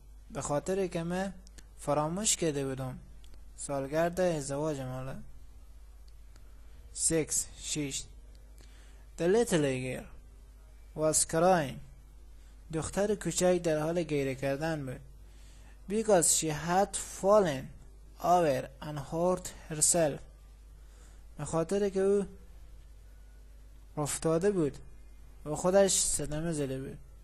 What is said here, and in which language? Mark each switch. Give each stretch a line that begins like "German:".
Persian: به خاطر که من فراموش کرده بودم سالگرد ازدواج مالا.
English: 6. 6. The little girl was crying.
Persian: دختر کوچک در حال گریه کردن بود.
English: Because she had fallen over and hurt herself.
Persian: به خاطر که او افتاده بود و خودش صدمه زده بود.